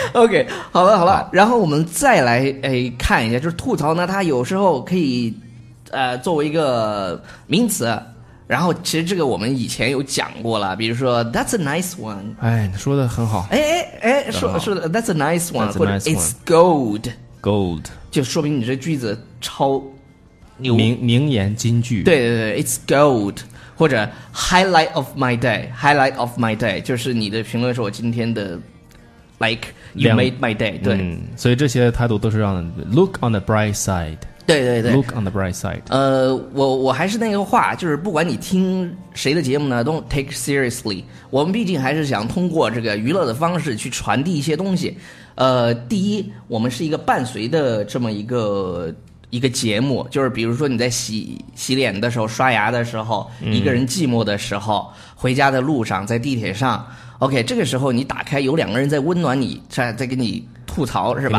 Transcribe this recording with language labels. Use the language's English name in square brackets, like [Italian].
[Chinese] OK， 好了好了，然后我们再来看一下，就是吐槽呢，它有时候可以作为一个名词。然后其实这个我们以前有讲过了，比如说 [English] That's a nice one. [Chinese] 哎，你说的很好。哎，说的 [English] That's a nice one， a nice [Chinese] 或者 [English] It's gold. Gold. [Chinese] 就说明你这句子超牛，名言金句。对对对 [English] ，It's gold， [Chinese] 或者 [English] highlight of my day，highlight of my day， [Chinese] 就是你的评论是我今天的 [English] ，like you made my day。 [Chinese] 对，所以这些态度都是让 [English] look on the bright side。 [Chinese] 对对对 [English] ，look on the bright side。 [Chinese] 我还是那个话，就是不管你听谁的节目呢 ， [English] don't take seriously。 [Chinese] 我们毕竟还是想通过这个娱乐的方式去传递一些东西。第一，我们是一个伴随的这么一个节目，就是比如说你在洗脸的时候、刷牙的时候、一个人寂寞的时候、回家的路上、在地铁上 ，OK， 这个时候你打开，有两个人在温暖你，在给你吐槽，是吧？